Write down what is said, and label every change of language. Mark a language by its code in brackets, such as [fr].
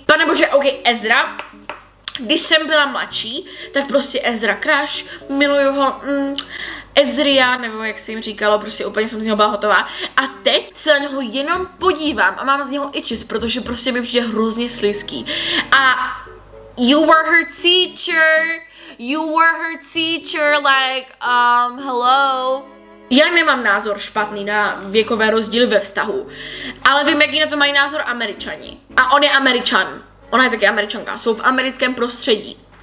[cs] Panebože, ok, Ezra. Když jsem byla mladší, tak prostě Ezra crush, miluju ho, Ezria, nebo jak se jim říkalo, prostě úplně jsem z něho byla hotová. A teď se na něho jenom podívám a mám z něho itches, protože prostě mi přijde hrozně slizký. [en] A you were her teacher, you were her teacher, like, hello. [cs] Já nemám názor špatný na věkové rozdíly ve vztahu, ale vím, jaký na to mají názor Američani. A on je Američan. Ona je taky Američanka, jsou v americkém prostředí.